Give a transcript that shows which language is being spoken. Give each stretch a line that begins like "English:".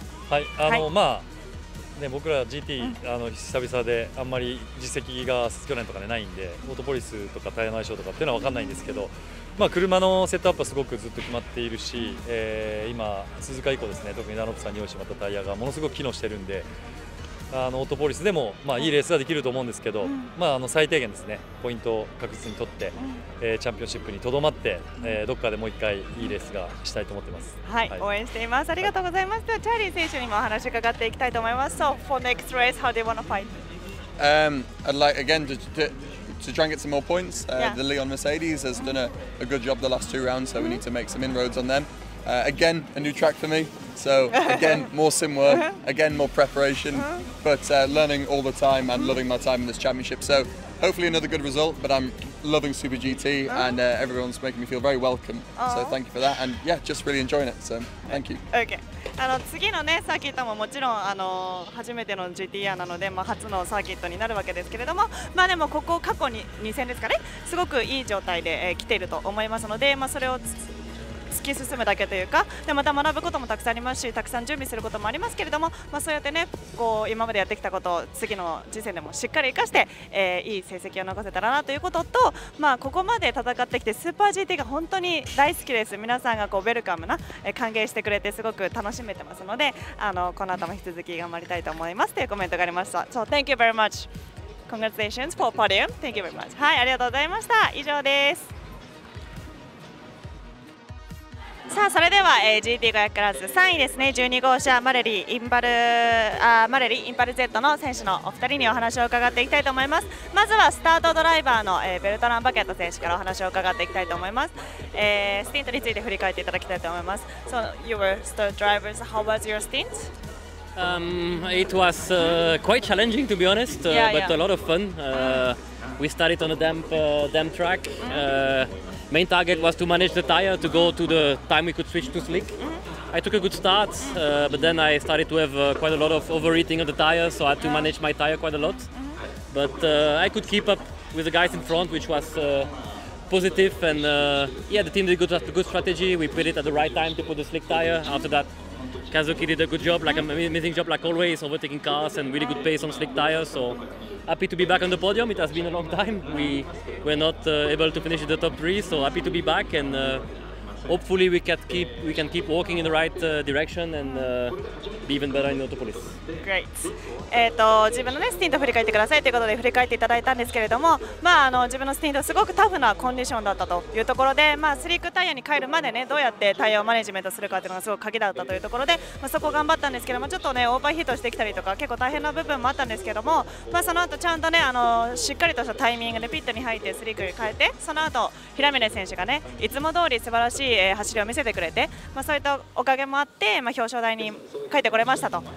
Japanese: はい、はい、まあね、僕ら GT、うん、久々であんまり実績が去年とか、ね、ないんで、オートポリスとかタイヤの相性とかっていうのは分かんないんですけど、まあ、車のセットアップはすごくずっと決まっているし、今鈴鹿以降ですね、特にダンロップさんに用意してもらったタイヤがものすごく機能してるんで、オートポリスでも、まあ、いいレースができると思うんですけど、うん、まあ、最低限ですねポイントを確実に取って、うん、チャンピオンシップにとどまって、どっかでもう一回いいレースがしたいと思ってます、はい、はい、応援しています。ありがとうございます。ではチャーリー選手にもお話伺っていきたいと思います。
English: So for next race, how do you want to fight? I'd like again to try and get some more points、 yeah. The Leon Mercedes has done a good job the last two rounds, so we need to make some inroads on them、again, a new track for meSo again, more sim work, again, more preparation, but learning all the time and loving my time in this championship. So hopefully another good result, but I'm loving Super GT and everyone's making me feel very welcome. So thank you for that. And yeah, just really enjoying it. So thank you. Okay.
Japanese: 次の、ね、サーキットももちろん初めての GT r なので、まあ、初のサーキットになるわけですけれども、まあ、でもここ過去に2戦ですかね、すごくいい状態で、来ていると思いますので、まあ、それを突き進むだけというか、でまた学ぶこともたくさんありますし、たくさん準備することもありますけれども、まあ、そうやってね、こう今までやってきたことを次の次戦でもしっかり生かして、いい成績を残せたらなということと、まあ、ここまで戦ってきてスーパー GT が本当に大好きです。皆さんがこうウェルカムな、歓迎してくれてすごく楽しめてますので、この後も引き続き頑張りたいと思いますというコメントがありました。
English: So thank you very much. Congratulations for podium. Thank you very much.
Japanese: はい、ありがとうございました。以上です。さあ、それでは、GT500 クラス3位ですね、12号車マレリーインパル、マレリーインパル Z の選手のお二人にお話を伺っていきたいと思います。まずはスタートドライバーの、ベルトラン・バケット選手からお話を伺っていきたいと思います。スティントについて振り返っていただきたいと思います。
English: So you were start drivers, how was your stint? It was quite challenging to be honest, but a lot of fun. We started on a damp track. Main target was to manage the tire to go to the time we could switch to slick. I took a good start, but then I started to have quite a lot of overheating of the tire, so I had to manage my tire quite a lot. But I could keep up with the guys in front, which was positive. And yeah, the team did a good strategy. We put it at the right time to put the slick tire. After that,Kazuki did a good job, like an amazing job like always, overtaking cars and really good pace on slick tires. So happy to be back on the podium. It has been a long time. We were not able to finish the top three, so happy to be back. And hopefully we can keep walking in the right direction and be even better in Autopolis. Great.
Japanese: 自分の、ね、スティント振り返ってくださいということで振り返っていただいたんですけれども、まあ、自分のスティントすごくタフなコンディションだったというところで、まあ、スリークタイヤに変えるまで、ね、どうやってタイヤをマネジメントするかというのがすごく鍵だったというところで、まあ、そこを頑張ったんですけども、ちょっと、ね、オーバーヒートしてきたりとか結構大変な部分もあったんですけども、まあ、その後ちゃんと、ね、しっかりとしたタイミングでピットに入ってスリークに変えて、その後平峰選手が、ね、いつも通り素晴らしい走りを見せてくれて、まあ、そういったおかげもあって、まあ、表彰台に帰ってこれましたと。